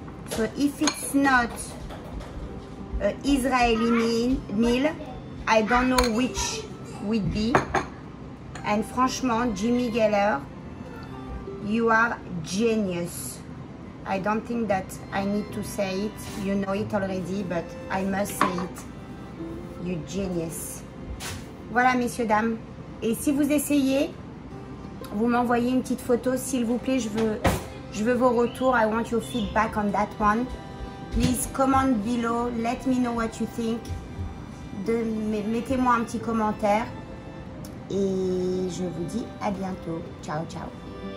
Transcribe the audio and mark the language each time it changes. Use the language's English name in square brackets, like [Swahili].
[English] So if it's not an Israeli meal, I don't know which would be. And franchement, Jimmy Geller, you are genius. I don't think that I need to say it. You know it already, but I must say it. You're genius. [French] Voilà, messieurs, dames. Et si vous essayez, vous m'envoyez une petite photo, s'il vous plaît, je veux vos retours. [English] I want your feedback on that one. Please comment below, let me know what you think. [French] Mettez-moi un petit commentaire. Et je vous dis à bientôt. Ciao, ciao.